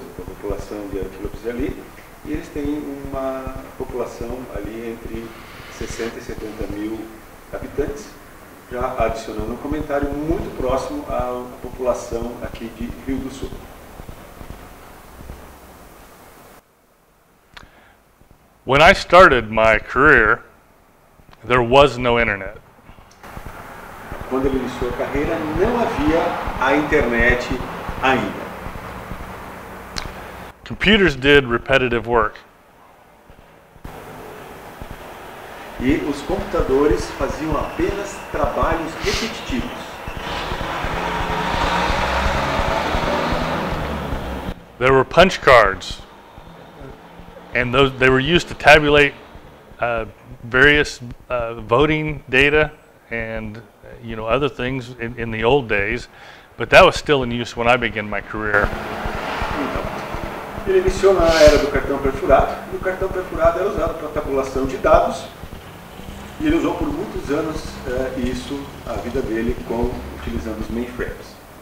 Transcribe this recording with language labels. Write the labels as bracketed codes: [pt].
[pt] Então, a população de antílopes ali, e eles têm uma população ali entre 60 e 70 mil habitantes, já adicionando um comentário muito próximo à população aqui de Rio do Sul. [en] When I started my career, there was no internet. [pt] Quando ele iniciou a carreira, não havia a internet ainda. [en] Computers did repetitive work. [pt] E os computadores faziam apenas trabalhos repetitivos. [en] There were punch cards, and those they were used to tabulate various voting data and other things in the old days, but that was still in use when I began my career. [pt] Ele iniciou na era do cartão perfurado, e o cartão perfurado era usado para tabulação de dados, e ele usou por muitos anos isso, a vida dele, utilizando os mainframes.